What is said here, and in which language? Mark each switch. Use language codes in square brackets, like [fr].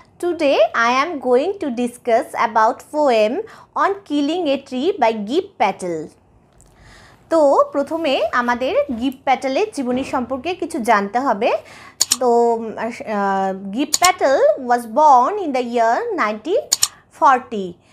[en] Today I am going to discuss about poem on killing a tree by Gieve Patel. [bn] তো প্রথমে আমাদের Gieve Patel-এর জীবনী সম্পর্কে কিছু জানতে হবে। [en] তো Gieve Patel was born in the year 1940.